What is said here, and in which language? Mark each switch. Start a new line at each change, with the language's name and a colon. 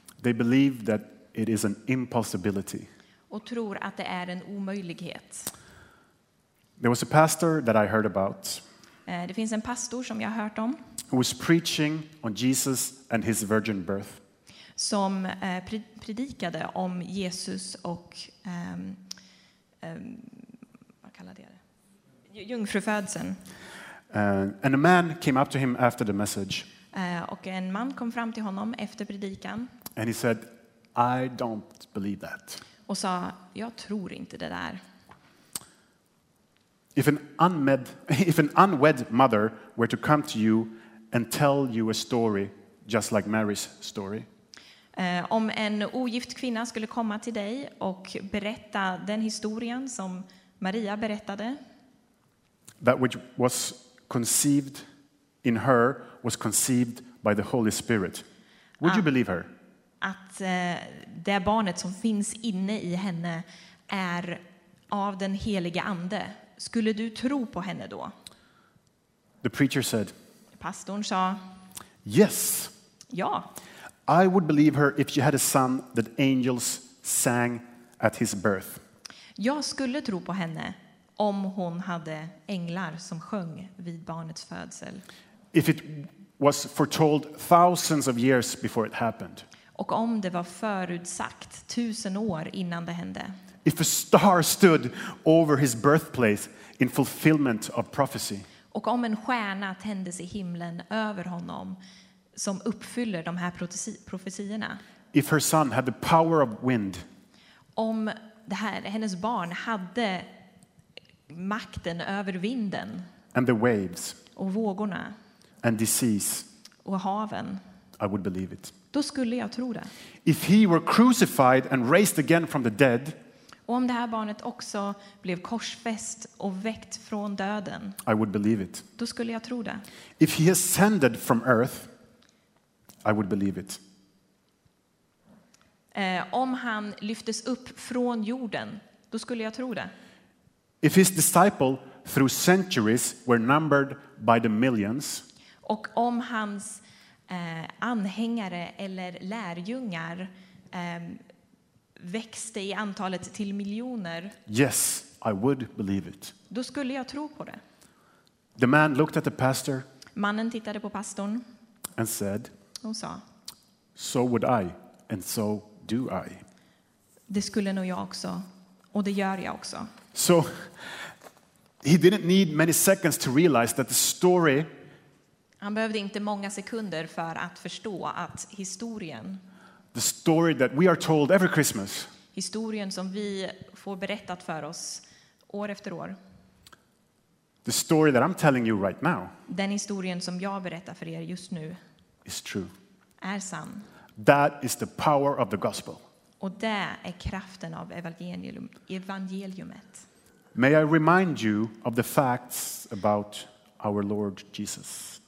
English: They believe that it is an impossibility.
Swedish: Och tror att det är en omöjlighet.
English: There was a pastor that I heard about.
Swedish: Det finns en pastor som jag hört om.
English: Who was preaching on Jesus and his virgin birth.
Swedish: Som predikade om Jesus och vad kallade jag det? Jungfrufödseln.
English: And a man came up to him after the message.
Swedish: Och en man kom fram till honom efter predikan.
English: And he said, I don't believe that.
Swedish: Och sa, jag tror inte det där.
English: If an unwed mother were to come to you and tell you a story just like Mary's story.
Swedish: Om en ogift kvinna skulle komma till dig och berätta den historien som Maria berättade.
English: That which was conceived in her was conceived by the Holy Spirit. Would you believe her?
Swedish: Att det barnet som finns inne i henne är av den helige ande. Skulle du tro på henne då?
English: The preacher said.
Swedish: Pastorn sa.
English: Yes.
Swedish: Ja.
English: I would believe her if she had a son that angels sang at his birth.
Swedish: Jag skulle tro på henne om hon hade änglar som sjöng vid barnets födsel.
English: If it was foretold thousands of years before it happened.
Swedish: Och om det var förutsagt tusen år innan det hände.
English: If a star stood over his birthplace in fulfillment of prophecy.
Swedish: Och om en stjärna tändes i himlen över honom som uppfyller de här profetierna.
English: If her son had the power of wind.
Swedish: Om det här, hennes barn hade makten över vinden.
English: And the waves.
Swedish: Och vågorna.
English: And disease.
Swedish: Och haven.
English: I would believe it.
Swedish: Då skulle jag tro det.
English: If he were crucified and raised again from the dead.
Swedish: Och om det här barnet också blev korsfäst och väckt från döden.
English: I would believe it.
Swedish: Då skulle jag tro det.
English: If he ascended from earth, I would believe it.
Swedish: Om han lyftes upp från jorden, då skulle jag tro det.
English: If his disciple through centuries were numbered by the millions.
Swedish: Och om hans anhängare eller lärjungar växte i antalet till miljoner.
English: Yes, I would believe it.
Swedish: Då skulle jag tro på det.
English: The man looked at the pastor.
Swedish: Mannen tittade på pastorn.
English: And said.
Swedish: Och sa.
English: So would I, and so do I.
Swedish: Det skulle nog jag också, och det gör jag också.
English: So he didn't need many seconds to realize that the story.
Swedish: Han behövde inte många sekunder för att förstå att historien.
English: The story that we are told every Christmas.
Swedish: Historien som vi får berättat för oss år efter år.
English: The story that I'm telling you right now.
Swedish: Den historien som jag berättar för er just nu.
English: Is true.
Swedish: Är sann.
English: That is the power of the gospel.
Swedish: Och det är kraften av evangeliumet.
English: May I remind you of the facts about our Lord Jesus.